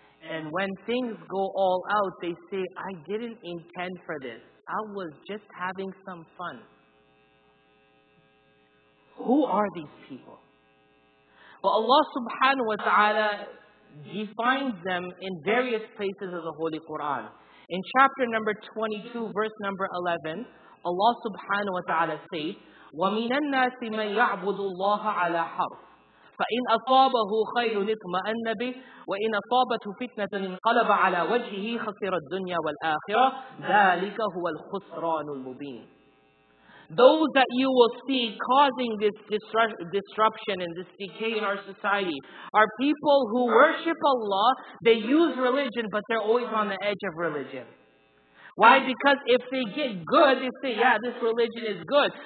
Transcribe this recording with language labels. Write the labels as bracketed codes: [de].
[en] And when things go all out, they say, "I didn't intend for this. I was just having some fun." Who are these people? Well, Allah subhanahu wa ta'ala defines them in various places of the Holy Quran. In chapter number 22, verse number 11, Allah subhanahu wa ta'ala states, [ar] وَمِنَ النَّاسِ مَنْ يَعْبُدُ اللَّهَ عَلَى حَرْفٍ فَإِنْ أَصَابَهُ خَيْرٌ اطْمَأَنَّ بِهِ وَإِنْ أَصَابَتْهُ فِتْنَةٌ انْقَلَبَ عَلَى وَجْهِهِ خَسِرَ الدُّنْيَا وَالْآخِرَةَ ذَلِكَ هُوَ الْخُسْرَانُ الْمُبِينُ. [en] Those that you will see causing this disruption and this decay in our society are people who worship Allah, they use religion, but they're always on the edge of religion. Why? Because if they get good, they say, "Yeah, this religion is good."